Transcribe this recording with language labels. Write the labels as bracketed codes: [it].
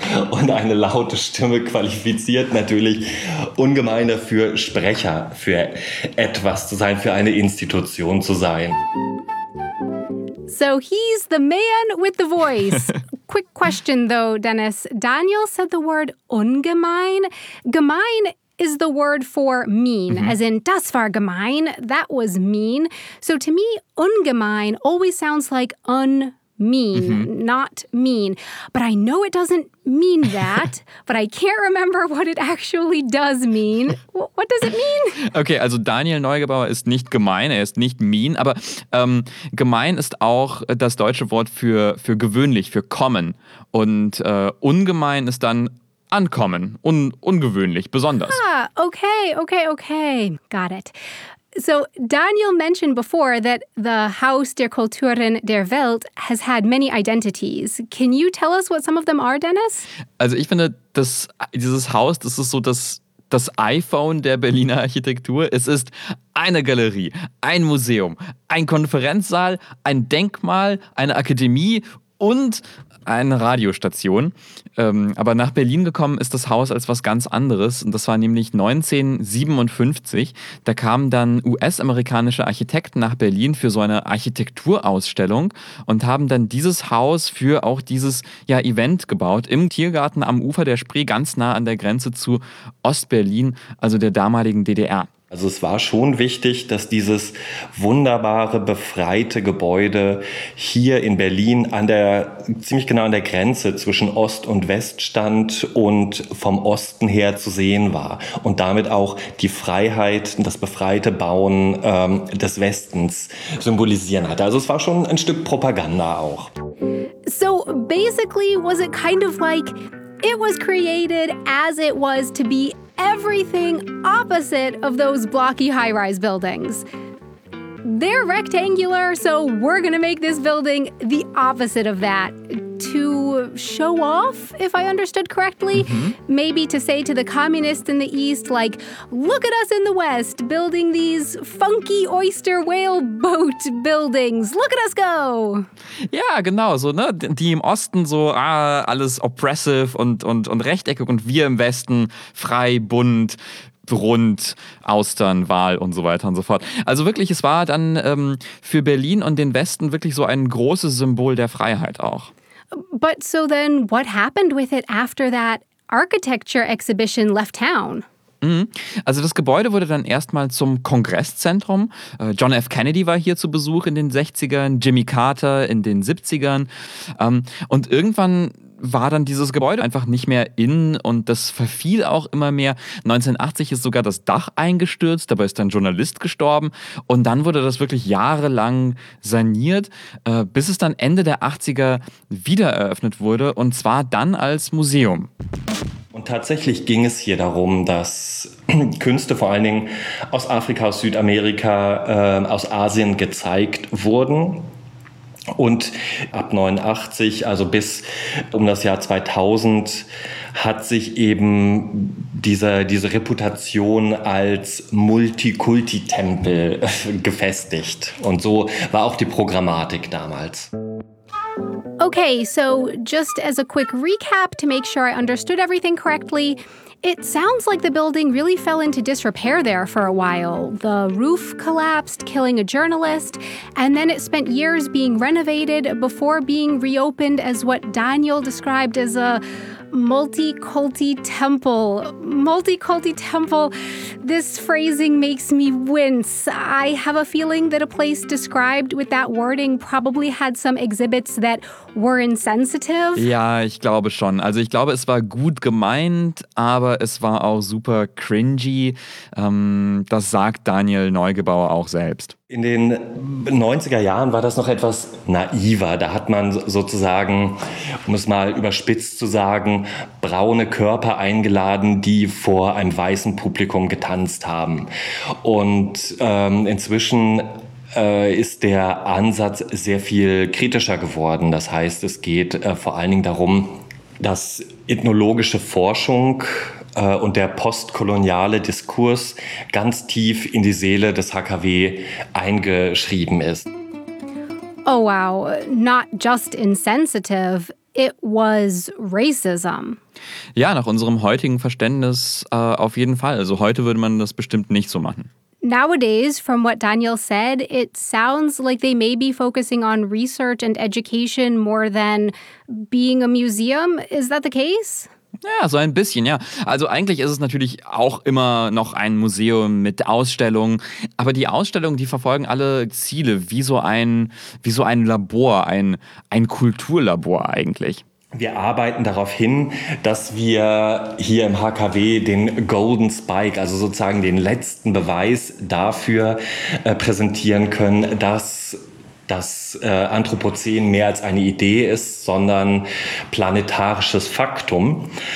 [de] Und eine laute Stimme qualifiziert natürlich ungemein dafür, Sprecher für etwas zu sein, für eine Institution zu sein. [en] So he's the man with the voice. Quick question though, Dennis. Daniel said the word ungemein. Gemein is the word for mean, mm-hmm. as in [de] das war gemein, [en] that was mean. So to me, ungemein always sounds like un-mean, mm-hmm. not mean. But I know it doesn't mean that, but I can't remember what it actually does mean. What does it mean? [de] Okay, also Daniel Neugebauer ist nicht gemein, er ist nicht mean, aber gemein ist auch das deutsche Wort für gewöhnlich, für common. Und ungemein ist dann ankommen, ungewöhnlich, besonders. [en] Ah, okay. Got it. So Daniel mentioned before that the Haus der Kulturen der Welt has had many identities. Can you tell us what some of them are, Dennis? [de] Also ich finde, dieses Haus, das ist so das iPhone der Berliner Architektur. Es ist eine Galerie, ein Museum, ein Konferenzsaal, ein Denkmal, eine Akademie und eine Radiostation. Aber nach Berlin gekommen ist das Haus als was ganz anderes. Und das war nämlich 1957. Da kamen dann US-amerikanische Architekten nach Berlin für so eine Architekturausstellung und haben dann dieses Haus für auch dieses Event gebaut im Tiergarten am Ufer der Spree, ganz nah an der Grenze zu Ost-Berlin, also der damaligen DDR. Also es war schon wichtig, dass dieses wunderbare, befreite Gebäude hier in Berlin ziemlich genau an der Grenze zwischen Ost und West stand und vom Osten her zu sehen war und damit auch die Freiheit, das befreite Bauen des Westens symbolisieren hatte. Also es war schon ein Stück Propaganda auch. [en] So basically was it kind of like it was created as it was to be everything opposite of those blocky high-rise buildings. They're rectangular, so we're gonna make this building the opposite of that. To show off, if I understood correctly, mm-hmm. maybe to say to the communists in the East, like, look at us in the West building these funky oyster whale boat buildings. Look at us go! [de] Ja, genau, so, ne? Die im Osten so alles oppressive und rechteckig und wir im Westen frei, bunt, rund, Austern, Wal und so weiter und so fort. Also wirklich, es war dann für Berlin und den Westen wirklich so ein großes Symbol der Freiheit auch. [en] But so then, what happened with it after that architecture exhibition left town? [de] Also das Gebäude wurde dann erstmal zum Kongresszentrum. John F. Kennedy war hier zu Besuch in den 60ern, Jimmy Carter in den 70ern. Und irgendwann war dann dieses Gebäude einfach nicht mehr in und das verfiel auch immer mehr. 1980 ist sogar das Dach eingestürzt, dabei ist ein Journalist gestorben. Und dann wurde das wirklich jahrelang saniert, bis es dann Ende der 80er wieder eröffnet wurde und zwar dann als Museum. Und tatsächlich ging es hier darum, dass Künste vor allen Dingen aus Afrika, aus Südamerika, aus Asien gezeigt wurden. Und ab 89, also bis um das Jahr 2000, hat sich eben diese Reputation als Multikulti-Tempel gefestigt. Und so war auch die Programmatik damals. [en] Okay, so just as a quick recap to make sure I understood everything correctly, it sounds like the building really fell into disrepair there for a while. The roof collapsed, killing a journalist, and then it spent years being renovated before being reopened as what Daniel described as a multi-culti temple. Multi-culti temple. This phrasing makes me wince. I have a feeling that a place described with that wording probably had some exhibits that were insensitive. [de] Ja, ich glaube schon. Also ich glaube, es war gut gemeint, aber es war auch super cringy. Das sagt Daniel Neugebauer auch selbst. In den 90er Jahren war das noch etwas naiver. Da hat man sozusagen, um es mal überspitzt zu sagen, braune Körper eingeladen, die vor einem weißen Publikum getanzt haben. Und inzwischen ist der Ansatz sehr viel kritischer geworden. Das heißt, es geht vor allen Dingen darum, dass ethnologische Forschung und der postkoloniale Diskurs ganz tief in die Seele des HKW eingeschrieben ist. [en] Oh wow, not just insensitive, it was racism. [de] Ja, nach unserem heutigen Verständnis auf jeden Fall. Also heute würde man das bestimmt nicht so machen. [en] Nowadays, from what Daniel said, it sounds like they may be focusing on research and education more than being a museum. Is that the case? [de] Ja, so ein bisschen, ja. Also eigentlich ist es natürlich auch immer noch ein Museum mit Ausstellungen. Aber die Ausstellungen, die verfolgen alle Ziele, wie so ein Labor, ein Kulturlabor eigentlich. Wir arbeiten darauf hin, dass wir hier im HKW den Golden Spike, also sozusagen den letzten Beweis dafür präsentieren können, dass das Anthropozän mehr als eine Idee ist, sondern planetarisches Faktum.